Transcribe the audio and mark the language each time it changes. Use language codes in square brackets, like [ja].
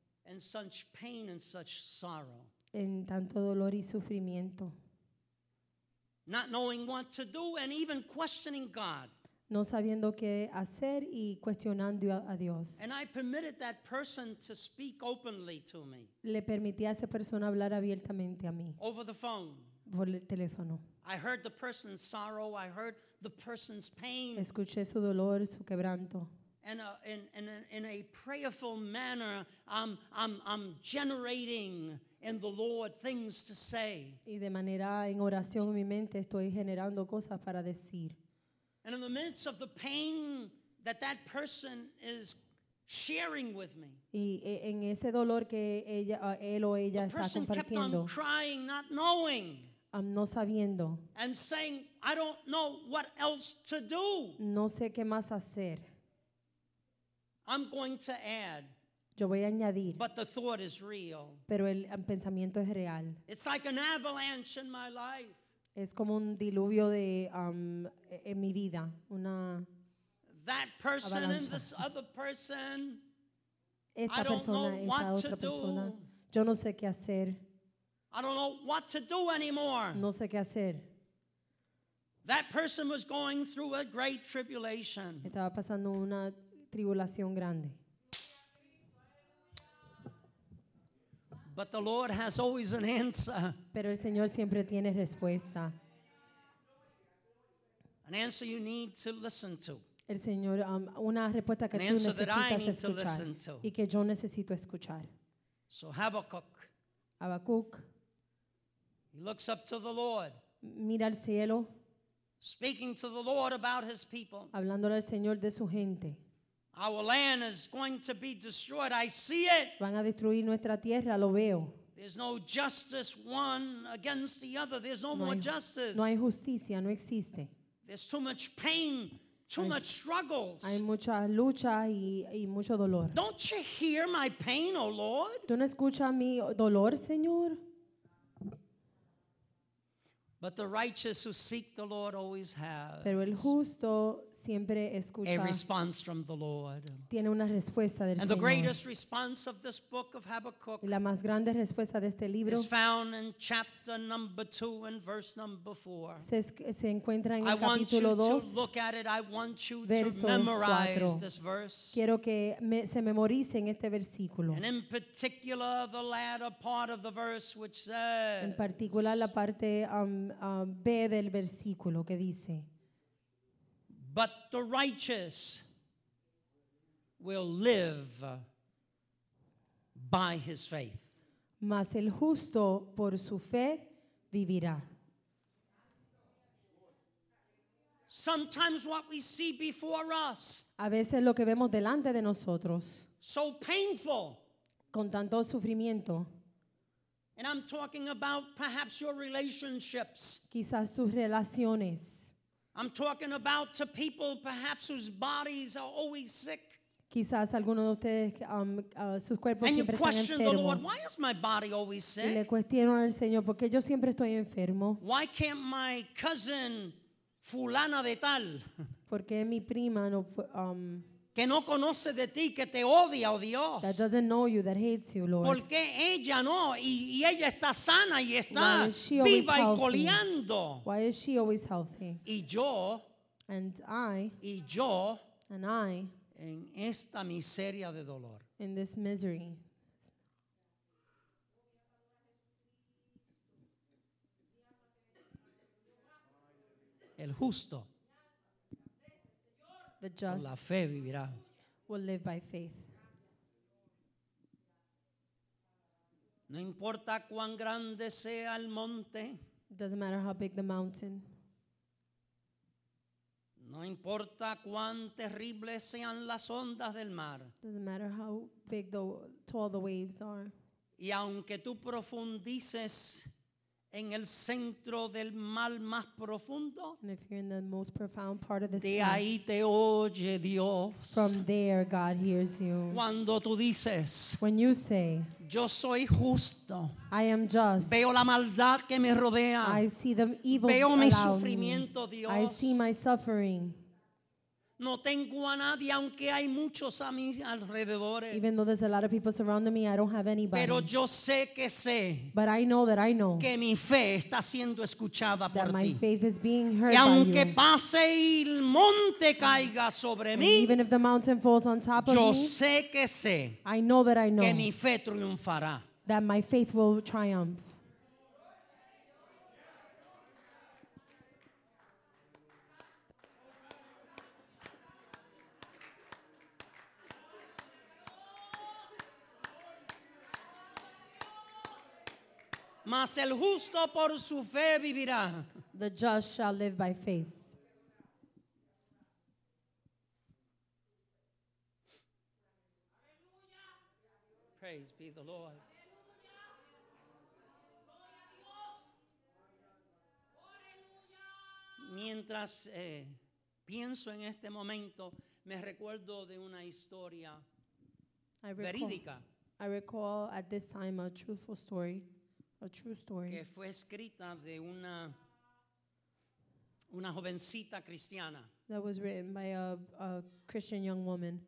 [en] In such pain and such sorrow. [es] En tanto dolor y sufrimiento. [en] Not knowing what to do and even questioning God. [es] No sabiendo qué hacer y cuestionando a Dios. [en] And I permitted that person to speak openly to me. [es] Le permití a esa persona hablar abiertamente a mí. [en] Over the phone. [es] Por el teléfono. [en] I heard the person's sorrow. I heard the person's pain. [es] Escuché su dolor, su quebranto. [en] And in a prayerful manner, I'm generating in the Lord things to say. [es] Y de manera en oración en mi mente estoy generando cosas para decir. [en] And in the midst of the pain that person is sharing with me. [es] Y en ese dolor que ella, él o ella está compartiendo. [en] The person kept on crying, not knowing. [es] No sabiendo. [en] And saying, I don't know what else to do. [es] No sé qué más hacer. [en] I'm going to add. [es] Yo voy a añadir. [en] But the thought is real. [es] Pero el pensamiento es real. [en] It's like an avalanche in my life. [es] Es como un diluvio de en mi vida, una [en] that person [es] avalancha. [en] And this other person. [es] Esta [en] I [es] persona, [en] don't know [es] esta [en] what [es] otra [en] to [es] persona. [en] Do. [es] Yo no sé qué hacer. [en] I don't know what to do anymore. [es] No sé qué hacer. [en] That person was going through a great tribulation. [es] Estaba pasando una tribulación grande. [en] But the Lord has always an answer. [es] Pero el Señor siempre tiene respuesta. [en] An answer you need to listen to. [es] El Señor, una respuesta que [en] an [es] tú [en] answer [es] necesitas [en] that I need [es] escuchar, [en] to listen to. [es] Y que yo necesito escuchar. [en] So Habacuc. [es] Habacuc. [en] He looks up to the Lord. [es] Mira al cielo. [en] Speaking to the Lord about his people. [es] Hablándole al Señor de su gente. [en] Our land is going to be destroyed. I see it. [es] Van a destruir nuestra tierra, lo veo. [en] There's no justice one against the other. There's no more justice. [es] No hay justicia, no existe. [en] There's too much pain, too much struggles. [es] Hay mucha lucha y mucho dolor. [en] Don't you hear my pain, oh Lord? [es] ¿Tú no escuchas mi dolor, Señor? [en] But the righteous who seek the Lord always have. [es] Pero el justo siempre escucha. [en] A response from the Lord. [es] Tiene una respuesta del [en] and [es] Señor. [en] The greatest response of this book of Habakkuk. [es] Y la más grande respuesta de este libro. [en] Is found in chapter number 2 and verse number 4. [es] Se encuentra en [en] I [es] el capítulo 2. [en] I want you to look at it. I want you [es] verso [en] to memorize [es] 4. [en] This verse. [es] Quiero que se memorice en este versículo. [en] And in particular the latter part of the verse which says. [es] En particular la parte B del versículo que dice. [en] But the righteous will live by his faith. [es] Mas el justo por su fe vivirá. [en] Sometimes what we see before us. [es] A veces lo que vemos delante de nosotros. [en] So painful. [es] Con tanto sufrimiento. [en] And I'm talking about perhaps your relationships. [es] Quizás tus relaciones. [en] I'm talking about to people perhaps whose bodies are always sick. [es] Quizás alguno de ustedes sus cuerpos [en] and [es] siempre [en] you question [es] están enfermos. [en] The Lord, why is my body always sick? [es] Y le cuestionan al Señor, ¿por qué yo siempre estoy enfermo? [en] Why can't my cousin [es] fulana de tal? Porque mi prima no que no conoce de ti, que te odia, oh Dios. [en] That doesn't know you, that hates you, Lord. [es] Porque ella no, y ella está sana y está viva y coleando. [en] Why is she always healthy? [es] Y yo, [en] and I, [es] y yo, [en] and I, [es] en esta miseria de dolor. [en] In this misery. [es] El justo. [en] The just [es] la fe vivirá. [en] Will live by faith. [es] No importa cuán grande sea el monte. [en] Doesn't matter how big the mountain. [es] No importa cuán terribles sean las ondas del mar. [en] Doesn't matter how big the tall the waves are. [es] Y aunque tú profundices en el centro del mal más profundo, [en] and if you're in the most profound part of the [es] de [en] sea, [es] ahí te oye Dios. [en] From there God hears you. [es] Cuando tú dices, [en] when you say, [es] yo soy justo, [en] I am just, [es] veo la maldad que me rodea, [en] I see the evil [es] veo mi sufrimiento [en] me. [es] Dios, [en] I see my suffering. [es] No tengo a nadie, aunque hay muchos a mis alrededores. [en] Even though there's a lot of people surrounding me, I don't have anybody. [es] Pero yo sé que sé. [en] But I know that I know. [es] Que mi fe está siendo escuchada por ti. [en] That my faith is being heard by [es] Y aunque pase el monte caiga sobre mí. [en] Even if the mountain falls on top of me. [es] Yo sé que sé. [en] I know that I know. [es] Que mi fe triunfará. [en] That my faith will triumph. [es] Mas el justo por su fe vivirá. [en] The just shall live by faith. Praise be the Lord. [es] Mientras pienso en este momento, me recuerdo de una historia verídica. [en] I recall at this time a truthful story, a true story. [es] Que fue escrita de una jovencita cristiana. [en] That was written by a Christian young woman.